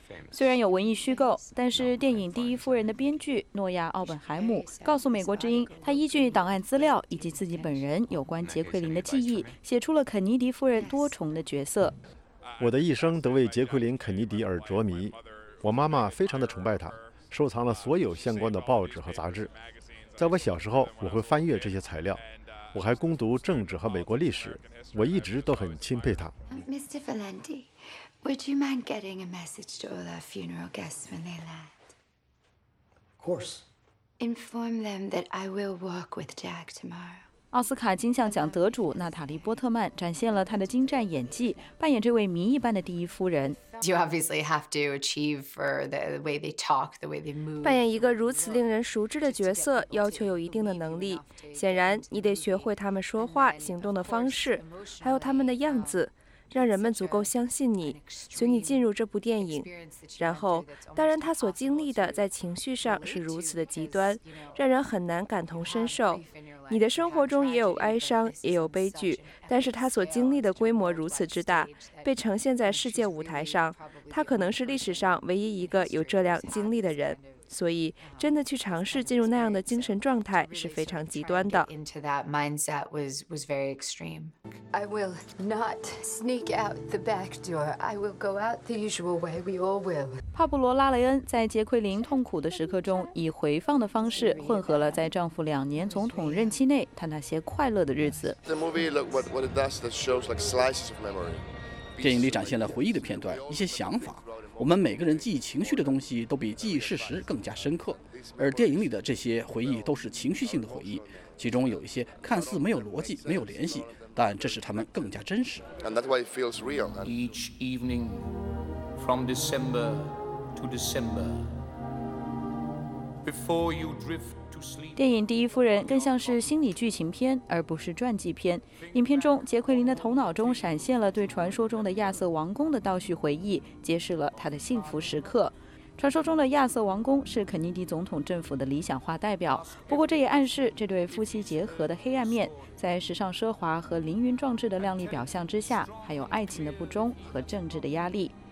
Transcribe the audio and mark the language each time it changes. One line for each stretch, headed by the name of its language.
Chinese: 虽然有文艺虚构，但是电影《第一夫人》的编剧诺亚·奥本海姆告诉美国之音，他依据档案资料以及自己本人有关杰奎琳的记忆，写出了肯尼迪夫人多重的角色。我的一生都为杰奎琳·肯尼迪而着迷，我妈妈非常的崇拜她，收藏了所有相关的报纸和杂志。在我小时候，我会翻阅这些材料，我还攻读政治和美国历史，我一直都很钦佩她。
English: Mr. Valenti, would you mind getting a message to all our funeral guests when they land? Of course. Inform them that I will walk with Jack tomorrow.
Chinese: 奥斯卡金像奖得主娜塔莉·波特曼展现了她的精湛演技，扮演这位谜一般的第一夫人。
English: You obviously have to achieve for the way they talk, the way they move.
Chinese: 扮演一个如此令人熟知的角色，要求有一定的能力。显然，你得学会他们说话、行动的方式，还有他们的样子，让人们足够相信你，随你进入这部电影。然后，当然他所经历的在情绪上是如此的极端，让人很难感同身受。你的生活中也有哀伤，也有悲剧，但是他所经历的规模如此之大，被呈现在世界舞台上，他可能是历史上唯一一个有这样经历的人。所以，真的去尝试进入那样的精神状态是非常极端的。
English: Into that mindset was very extreme. I will not sneak out the back door. I will go out the usual way. We all will.
Chinese: 帕布罗·拉雷恩在杰奎琳痛苦的时刻中，以回放的方式混合了在丈夫两年总统任期内他那些快乐的日子。
English: The movie, look what it does, that shows like slices of memory.
Chinese: 电影里展现了回忆的片段，一些想法。我们每个人记忆情绪的东西都比记忆事实更加深刻，而电影里的这些回忆都是情绪性的回忆，其中有一些看似没有逻辑、没有联系，但这使它们更加真实。
English: And that's why it feels real. Each evening, from December to December, before you drift.
Chinese: 电影《第一夫人》更像是心理剧情片，而不是传记片。影片中，杰奎琳的头脑中闪现了对传说中的亚瑟王宫的倒叙回忆，揭示了她的幸福时刻。传说中的亚瑟王宫是肯尼迪总统政府的理想化代表，不过这也暗示这对夫妻结合的黑暗面，在时尚奢华和凌云壮志的亮丽表象之下，还有爱情的不忠和政治的压力。